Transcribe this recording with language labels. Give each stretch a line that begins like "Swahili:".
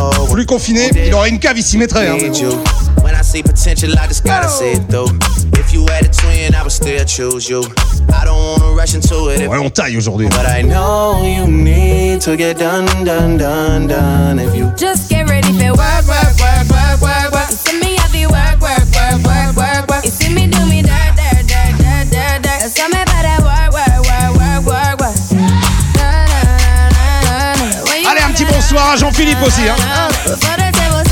French: Plus confiné, il aurait une cave, il s'y mettrait. Hein.
English: When I see potential, I just gotta say it though. If you had a twin, I would still choose you. I don't wanna rush into it.
French: Ouais, on taille aujourd'hui.
English: But I know you need to get done, done, done, done. If you just get ready for work, work, work, work, work, work. You see me, I'll be work, work, work, work, work, work. You see me, do me, da, da, da, da, da, da. Tell me about that work, work, work, work, work, work.
French: Allez, un petit bonsoir à Jean-Philippe aussi, hein.